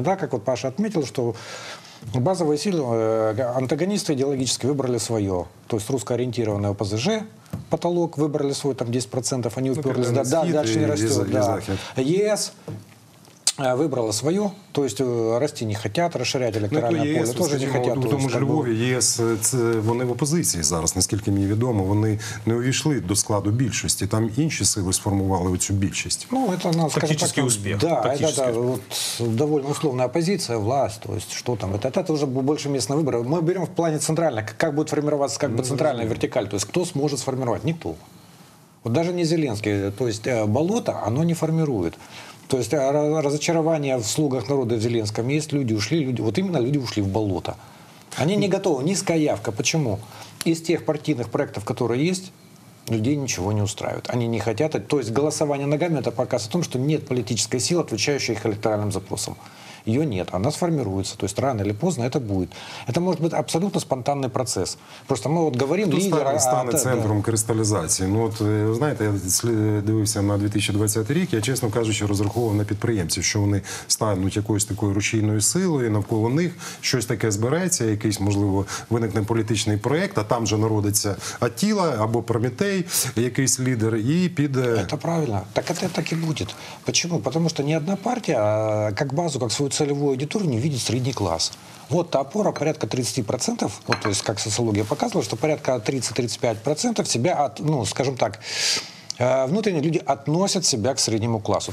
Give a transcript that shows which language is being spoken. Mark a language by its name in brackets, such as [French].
[Russian] Да, как вот Паша отметил, что базовые силы, антагонисты идеологически выбрали свое. То есть русскоориентированное ОПЗЖ, потолок, выбрали свой там 10%, они уперлись, ну, да, дальше не растет. Да. ЕС выбрала свое, то есть расти не хотят, расширять электоральное поле тоже, кстати, не хотят. [Ukrainian] У тому ж Львові ЄС, вони в опозиції зараз, наскільки мені відомо, вони не увійшли до складу більшості, там інші сили сформували оцю більшість. [Russian] Ну, это, ну, тактический успех. Да, тактический. Довольно условная позиция, власть, то есть что там, это уже больше местные выборы. Мы берем в плане центральных, как будет формироваться, как бы, центральная вертикаль, то есть кто сможет сформировать, никто. Вот даже не Зеленский, то есть болото, оно не формирует. То есть разочарование в слугах народа в Зеленском есть, люди ушли, люди ушли в болото. Они не готовы, низкая явка. Почему? Из тех партийных проектов, которые есть, людей ничего не устраивает. Они не хотят. То есть голосование ногами — это показ о том, что нет политической силы, отвечающей их электоральным запросам. Ее нет, она сформируется. То есть рано или поздно это будет. Это может быть абсолютно спонтанный процесс. Просто мы вот говорим лидера... Кто станет центром кристаллизации? [Ukrainian] Ну от, знаете, я дивився на 2020 рік, я, чесно кажучи, розраховував на підприємців, що вони стануть якоюсь такою рушійною силою, навколо них щось таке збереться, якийсь, можливо, виникне політичний проєкт, а там же народиться Аттіла або Прометей, якийсь лідер, і піде... [Russian] Это правильно. Так это так и будет. Почему? Потому что ни одна партия как базу, как свою целевую аудиторию не видит средний класс. Вот та опора порядка 30%, вот, то есть как социология показывала, что порядка 30-35% себя, от, ну, скажем так, внутренние люди относят себя к среднему классу.